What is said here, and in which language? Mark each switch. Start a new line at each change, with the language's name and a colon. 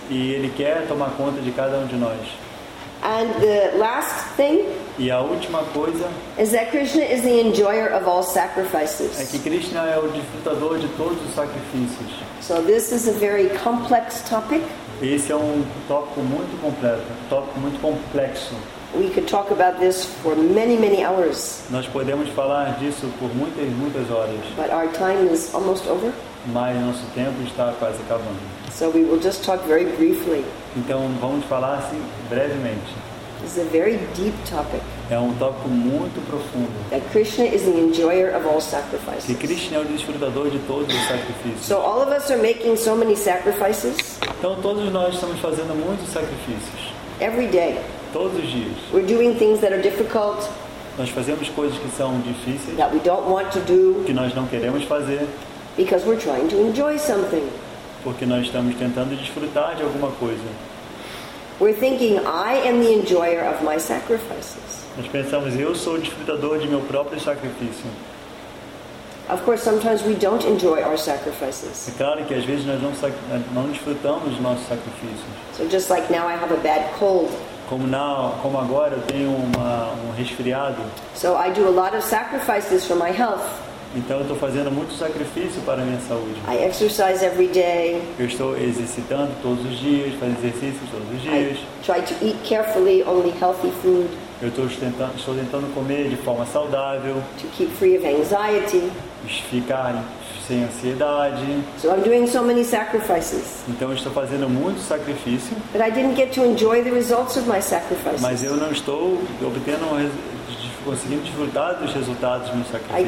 Portuguese: E ele quer tomar conta de cada um de nós.
English: And the last thing
Portuguese: e a última coisa
English: is that Krishna is the enjoyer of all sacrifices.
Portuguese: É que Krishna é o desfrutador de todos os sacrifícios.
English: So this is a very complex topic.
Portuguese: Esse é um tópico muito completo, tópico muito complexo.
English: We could talk about this for many, many hours.
Portuguese: Nós podemos falar disso por muitas, muitas horas.
English: But our time is almost over.
Portuguese: Mas nosso tempo está quase acabando.
English: So we will just talk very briefly.
Portuguese: Então vamos falar assim brevemente.
English: It's a very deep topic.
Portuguese: É um tópico muito profundo.
English: That Krishna is the enjoyer of all sacrifices.
Portuguese: Que Krishna é o desfrutador de todos os sacrifícios.
English: So all of us are making so many sacrifices.
Portuguese: Então todos nós estamos fazendo muitos sacrifícios.
English: Every day.
Portuguese: Todos os dias.
English: We're doing things that are difficult.
Portuguese: Nós fazemos coisas que são difíceis.
English: That we don't want to do.
Portuguese: Que nós não queremos fazer.
English: Because we're trying to enjoy something.
Portuguese: Porque nós estamos tentando desfrutar de alguma coisa.
English: We're thinking, I am the enjoyer of my sacrifices.
Portuguese: Nós pensamos, eu sou o desfrutador de meu próprio sacrifício.
English: Of course, sometimes we don't enjoy our sacrifices.
Portuguese: É claro que às vezes nós não desfrutamos dos nossos sacrifícios.
English: So just like now I have a bad cold.
Portuguese: Como agora eu tenho um resfriado.
English: So I do a lot of sacrifices for my health.
Portuguese: Então eu estou fazendo muito sacrifício para a minha saúde.
English: I exercise every day.
Portuguese: Eu estou exercitando todos os dias, faço exercícios todos os dias.
English: I try to eat carefully, only healthy food.
Portuguese: Eu estou tentando comer de forma saudável.
English: To keep free of anxiety.
Portuguese: Ficar sem ansiedade.
English: So I'm doing so many sacrifices.
Portuguese: Então eu estou fazendo muito sacrifício.
English: But I didn't get to enjoy the results of my sacrifices.
Portuguese: Mas eu não estou obtendo conseguindo desfrutar dos resultados do meu sacrifício.